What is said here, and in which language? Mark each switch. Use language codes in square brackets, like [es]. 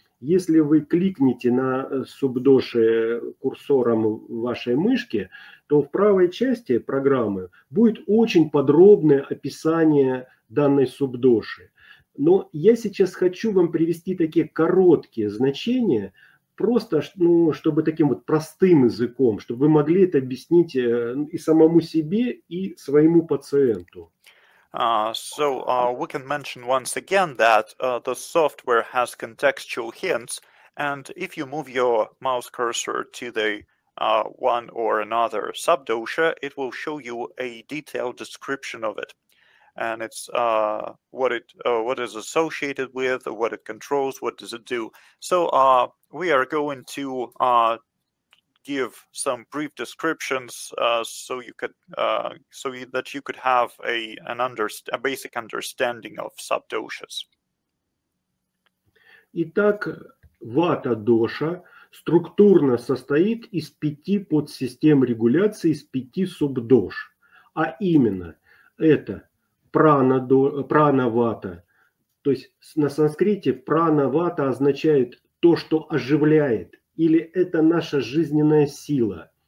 [ru] Если вы кликните на субдоши курсором вашей мышки, то в правой части программы будет очень подробное описание данной субдоши. Но я сейчас хочу вам привести такие короткие значения, просто, ну, чтобы таким вот простым языком, чтобы вы могли это объяснить и самому себе, и своему пациенту. [en] We can mention once again that the software has contextual hints, and if you move your mouse cursor to the one or another subdosha, it will show you a detailed description of it. And it's what is associated with, what it controls, what does it do. So we are going to give some brief descriptions so that you could have a basic understanding of subdoshas. [ru] Итак, вата доша структурно состоит из пяти подсистем регуляции, из пяти субдош, а именно это прана-вата. То есть на санскрите прана-вата означает то, что оживляет, или это наша жизненная сила.